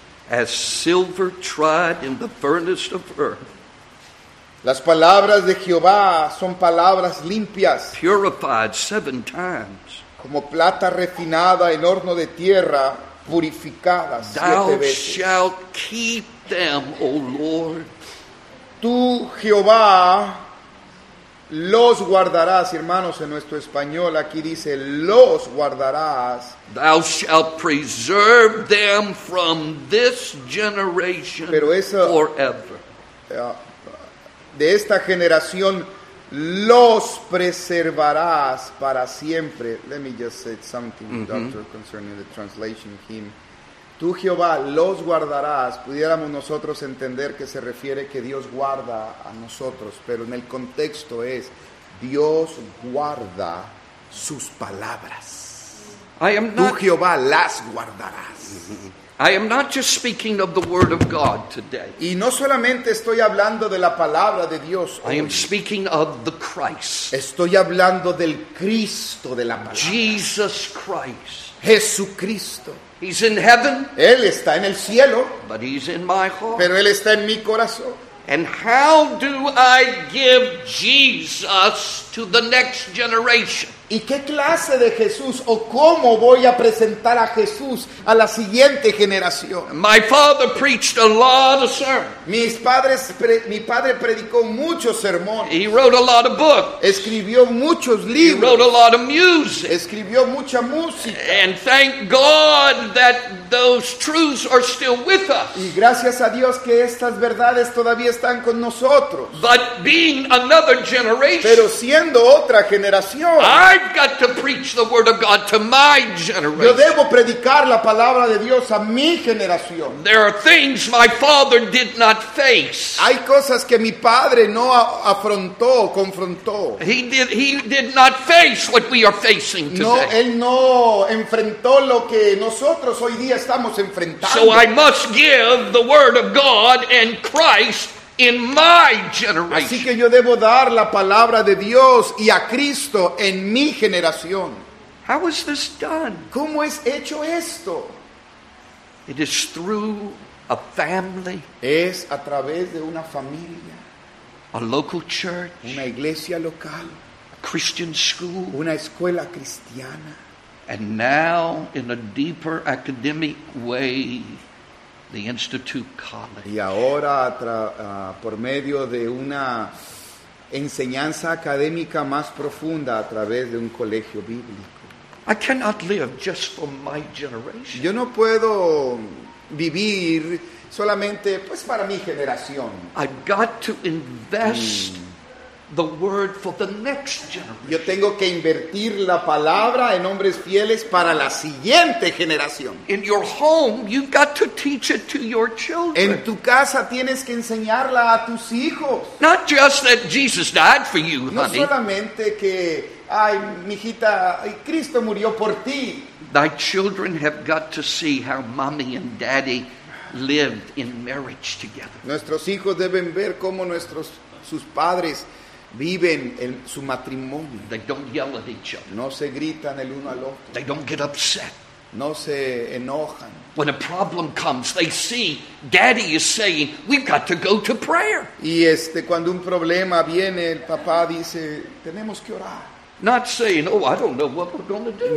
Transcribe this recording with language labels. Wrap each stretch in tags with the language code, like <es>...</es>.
<en>As silver tried in the furnace of earth.</en> <es>Las palabras de Jehová son palabras limpias.</es> <en>Purified seven times.</en> <es>Como plata refinada en horno de tierra, purificada siete</es> <en>Thou</en> <es>veces.</es> <en>Thou shalt keep them, O Lord.</en> <es>Tú, Jehová, los guardarás, hermanos, en nuestro español. Aquí dice, los guardarás.</es> <en>Thou shalt preserve them from this generation</en> <es>Pero eso,</es> <en>forever.</en> <es>De esta generación los preservarás para siempre.</es> <en>Let me just say something, doctor, concerning the translation of him.</en> <es>Tú, Jehová, los guardarás. Pudiéramos nosotros entender que se refiere que Dios guarda a nosotros, pero en el contexto es Dios guarda sus palabras. Tú, Jehová, las guardarás.</es> <en>I am not just speaking of the word of God today.</en> <es>Y no solamente estoy hablando de la palabra de Dios hoy.</es> <en>I am speaking of the Christ.</en> <es>Estoy hablando del Cristo de la palabra.</es> <en>Jesus Christ.</en> <es>Jesucristo.</es> <en>He's in heaven.</en> <es>Él está en el cielo.</es> <en>But he's in my heart.</en> <es>Pero él está en mi corazón.</es> <en>And how do I give Jesus to the next generation?</en> <es>¿Y qué clase de Jesús o cómo voy a presentar a Jesús a la siguiente generación?</es> <en>My father preached a lot of sermons.</en> <es>Mi padre predicó muchos sermones.</es> <en>He wrote a lot of books.</en> <es>Escribió muchos libros.</es> <en>He wrote a lot of music.</en> <es>Escribió mucha música.</es> <en>And thank God that those truths are still with us.</en> <es>Y gracias a Dios que estas verdades todavía están con nosotros.</es> <en>But being another generation.</en> <es>Pero siendo otra generación.</es> <en>I've got to preach the word of God to my generation.</en> <es>Yo debo predicar la palabra de Dios a mi generación.</es> <en>There are things my father did not face.</en> <es>Hay cosas que mi padre no afrontó, confrontó.</es> <en>He did not face what we are facing today.</en> <es>No, él no enfrentó lo que nosotros hoy día estamos enfrentando.</es> <en>So I must give the word of God and Christ in my generation.</en> <es>Así que yo debo dar la palabra de Dios y a Cristo en mi generación.</es> <en>How is this done?</en> <es>¿Cómo es hecho esto?</es> <en>It is through a family.</en> <es>Es a través de una familia.</es> <en>A local church.</en> <es>Una iglesia local.</es> <en>A Christian school.</en> <es>Una escuela cristiana.</es> <en>And now in a deeper academic way, the Institute College.</en> <es>Y ahora por medio de una enseñanza académica más profunda a través de un colegio bíblico.</es> <en>I cannot live just for my generation.</en> <es>Yo no puedo vivir solamente pues para mi generación.</es> <en>I've got to invest the word for the next generation.</en> <es>Yo tengo que invertir la palabra en hombres fieles para la siguiente generación.</es> <en>In your home, you've got to teach it to your children.</en> <es>En tu casa tienes que enseñarla a tus hijos.</es> <en>Not just that Jesus died for you, honey.</en> <es>No solamente que, ay, mijita, Cristo murió por ti.</es> <en>Thy children have got to see how mommy and daddy lived in marriage together.</en> <es>Nuestros hijos deben ver cómo sus padres viven en su matrimonio.</es> <en>They don't yell at each other.</en> <es>No se gritan el uno al otro.</es> <en>They don't get upset.</en> <es>No se enojan.</es> <en>When a problem comes, they see daddy is saying, we've got to go to prayer.</en> <es>Y cuando un problema viene, el papá dice, tenemos que orar.</es> <en>Not saying, oh, I don't know what we're going to do.</en>